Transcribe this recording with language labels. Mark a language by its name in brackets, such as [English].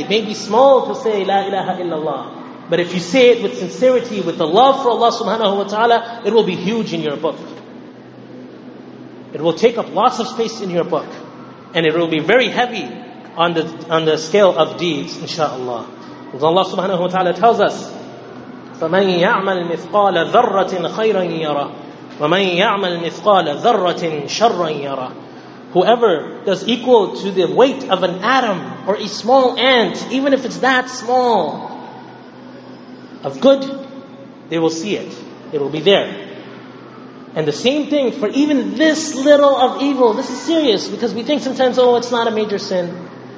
[English] It may be small to say la ilaha illallah, but if you say it with sincerity, with the love for Allah subhanahu wa ta'ala, it will be huge in your book. It will take up lots of space in your book, and it will be very heavy on the scale of deeds, inshaAllah. Because Allah subhanahu wa ta'ala tells us, [Arabic] فَمَنْ يَعْمَلْ مِثْقَالَ ذَرَّةٍ خَيْرًا يَرَى وَمَنْ يَعْمَلْ مِثْقَالَ ذَرَّةٍ شَرًّا يَرَى. [English] Whoever does equal to the weight of an atom or a small ant, even if it's that small, of good, they will see it. It will be there. And the same thing for even this little of evil. This is serious because we think sometimes, oh, it's not a major sin.